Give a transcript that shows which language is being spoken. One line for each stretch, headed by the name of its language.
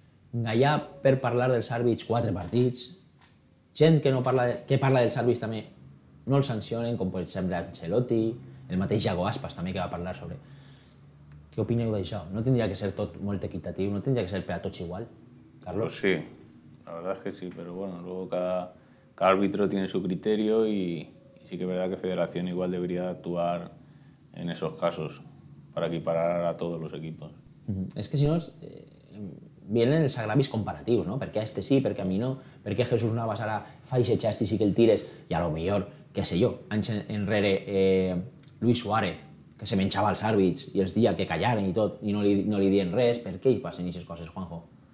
Catalan: Gaià, per parlar dels àrbits, 4 partits. Gent que parla dels àrbits també no els sancionen, com per exemple Ancelotti, el mateix Iago Aspas també que va parlar sobre... Què opineu d'això? No tindria que ser tot molt equitatiu, no tindria que ser per a tots igual, Carlos?
Spanish: Pues sí, la verdad es que sí, pero bueno, luego cada árbitro tiene su criterio y sí que es verdad que Federación igual debería actuar en esos casos para equiparar a todos los equipos. Es que si no... vienen
Catalan: els agravis comparatius,
Spanish: no?
Catalan: Per què a este sí, per què a mi no? Per què Jesús Navas ara fa ixe xast i sí que el tires? I a lo millor, què sé jo, anys enrere, Luis Suárez, que se menjava els àrbits i els deia que callaren i tot, i no li dien res, per què hi passen ixes coses, Juanjo?